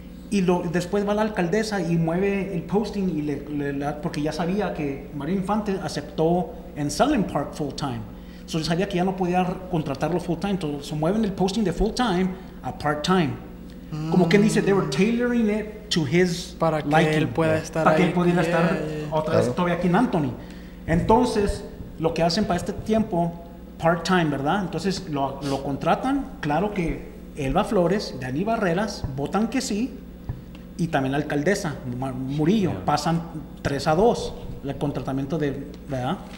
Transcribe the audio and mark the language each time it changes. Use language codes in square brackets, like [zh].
[es] Y después va la alcaldesa y mueve el posting y porque ya sabía que Mario Infante aceptó en Sutherland Park full time. So yo sabía que ya no podía contratarlo full time. Entonces so mueven el posting de full time a part time. Como quien dice, [en] they were tailoring it to his [es] para [en] liking. [es] Que él pueda estar para ahí. Que él pudiera estar otra vez todavía aquí en Anthony. Entonces, lo que hacen para este tiempo, part time, ¿verdad? Entonces lo contratan, claro que Elba Flores, Dani Barreras, votan que sí, y también la alcaldesa, Murillo, pasan 3-2, el contratamiento de, ¿verdad?